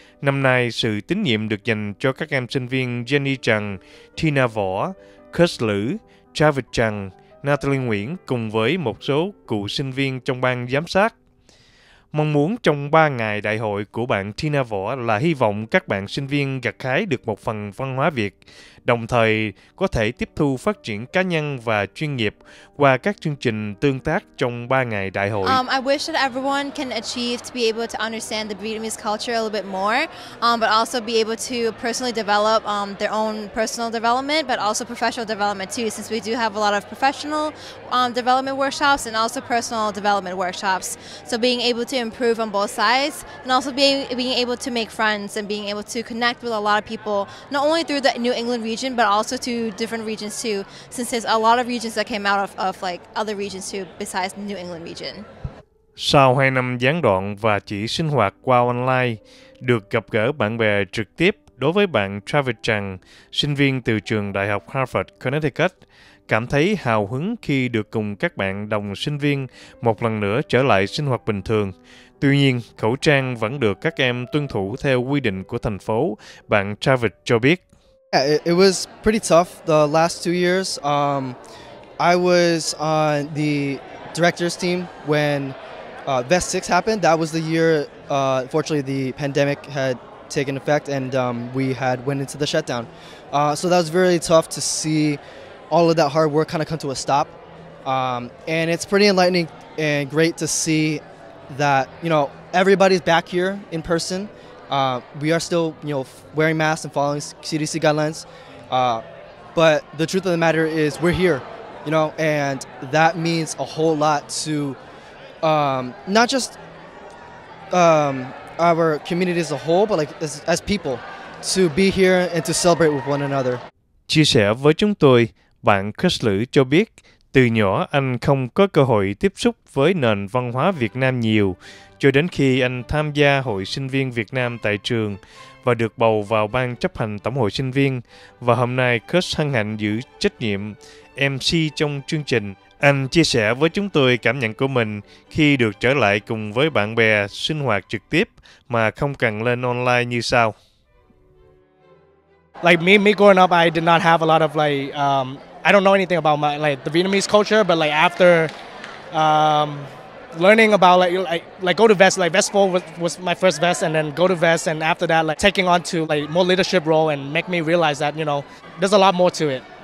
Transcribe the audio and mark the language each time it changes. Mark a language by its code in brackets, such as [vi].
[vi] Năm nay, sự tín nhiệm được dành cho các em sinh viên Jenny Trần, Tina Võ, Kurt Lữ, Travis Trần, Natalie Nguyễn cùng với một số cựu sinh viên trong ban giám sát. Mong muốn trong 3 ngày đại hội của bạn Tina Võ là hy vọng các bạn sinh viên gặt hái được một phần văn hóa Việt, đồng thời có thể tiếp thu phát triển cá nhân và chuyên nghiệp qua các chương trình tương tác trong 3 ngày đại hội. [en] I wish that everyone can achieve to be able to understand the Vietnamese culture a little bit more, but also be able to personally develop their own personal development, but also professional development too, since we do have a lot of professional development workshops and also personal development workshops. So being able to improve on both sides and also being able to make friends and being able to connect with a lot of people, not only through the New England region but also to different regions too, since there's a lot of regions that came out of like other regions too besides the New England region. [vi] Sau 2 năm gián đoạn và chỉ sinh hoạt qua online, được gặp gỡ bạn bè trực tiếp, đối với bạn Travis Trang, sinh viên từ trường Đại học Harvard, Connecticut, cảm thấy hào hứng khi được cùng các bạn đồng sinh viên một lần nữa trở lại sinh hoạt bình thường. Tuy nhiên, khẩu trang vẫn được các em tuân thủ theo quy định của thành phố, bạn Travis cho biết. [en] It was pretty tough the last 2 years. I was on the director's team when Vest 6 happened. That was the year, fortunately, the pandemic had taken effect and we had went into the shutdown. So that was really tough to see all of that hard work kind of come to a stop. And it's pretty enlightening and great to see that, you know, everybody's back here in person. We are still, you know, wearing masks and following CDC guidelines. But the truth of the matter is we're here, you know, and that means a whole lot to not just our community as a whole, but like as people, to be here and to celebrate with one another. [vi] Chia sẻ với chúng tôi, bạn Chris Lữ cho biết, từ nhỏ anh không có cơ hội tiếp xúc với nền văn hóa Việt Nam nhiều, cho đến khi anh tham gia hội sinh viên Việt Nam tại trường và được bầu vào ban chấp hành tổng hội sinh viên. Và hôm nay, Chris hân hạnh giữ trách nhiệm MC trong chương trình. Anh chia sẻ với chúng tôi cảm nhận của mình khi được trở lại cùng với bạn bè sinh hoạt trực tiếp mà không cần lên online như sau. [en] Like me growing up, I did not have a lot of like, I don't know anything about my, like the Vietnamese culture, but like after learning about like go to Vest, like Vest 4 was my first Vest, and then go to Vest, and after that, like taking on to like more leadership role and make me realize that, you know, there's a lot more to it.